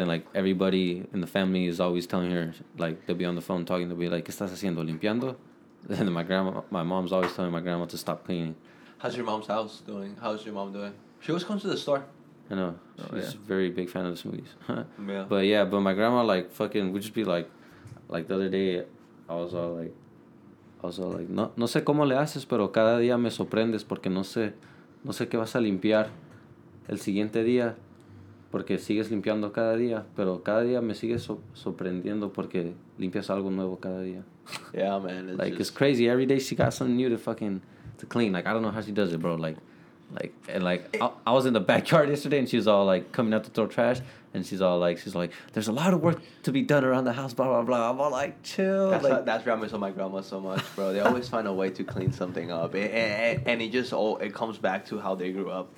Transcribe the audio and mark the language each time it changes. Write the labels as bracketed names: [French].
[English] And like, everybody in the family is always telling her, like, they'll be on the phone talking. They'll be like, [Spanish] ¿qué estás haciendo limpiando? [English] And then my mom's always telling my grandma to stop cleaning. How's your mom's house doing? How's your mom doing? She always comes to the store. I know. She's a very big fan of the smoothies. Yeah. But yeah, but my grandma, like, fucking, would just be like the other day, I was all like, [Spanish] no sé cómo le haces, pero cada día me sorprendes porque no sé qué vas a limpiar el siguiente día porque sigues limpiando cada día, pero cada día me sigues sorprendiendo porque limpias algo nuevo cada día. [English] Yeah, man. It's like, just... it's crazy. Every day she got something new to fucking... to clean. Like, I don't know how she does it, bro. I was in the backyard yesterday and she's all like coming out to throw trash and she's like there's a lot of work to be done around the house, blah blah blah. I'm all like, chill. That's what reminds me of my grandma so much, bro. They always find a way to clean something up and it comes back to how they grew up.